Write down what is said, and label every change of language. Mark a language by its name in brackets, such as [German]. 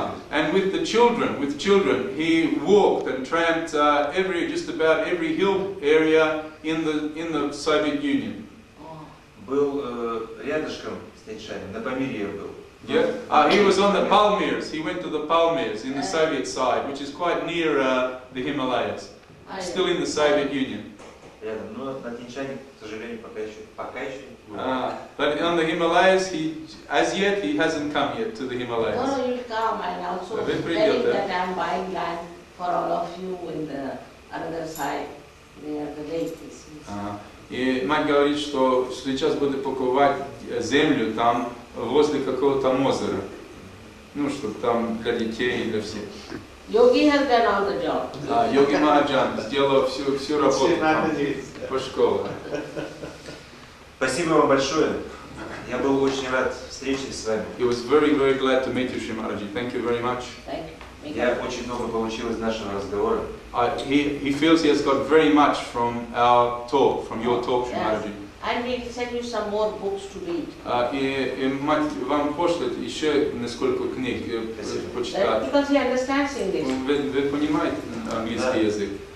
[English] And with the children, he walked and tramped just about every hill area in the Soviet Union. [Russian] Был рядышком с Тяньшанем, на Памире был. [English] Yeah, he was on the Palmyres. He went to the Palmyres in the Soviet side, which is quite near the Himalayas. Still in the Soviet Union. [Russian] Рядом, но на Тяньшане, к сожалению, пока еще. [English] But on the Himalayas, he hasn't come yet to the Himalayas. No, you'll come, and also telling that I'm buying land for all of you in the other side near the lake. [Russian] И мать говорит, что сейчас будет покупать землю там возле какого-то озера, ну чтобы там для детей и для всех. [English] Йоги has done all the job. [Russian] Да, Йоги Махаджан сделал всю работу там, по школе. Спасибо вам большое. Я был очень рад встрече с вами. [English] It was very very glad to meet you, Шримараджи. Thank you very much. [Russian] Я очень много получил из нашего разговора. [English] He feels he has got very much from our talk, from your talk, Шримараджи. And we'll send you some more books to read. [Russian] И мать вам пошлет еще несколько книг почитать. [English] Because he understands English. [Russian] Вы понимаете английский язык?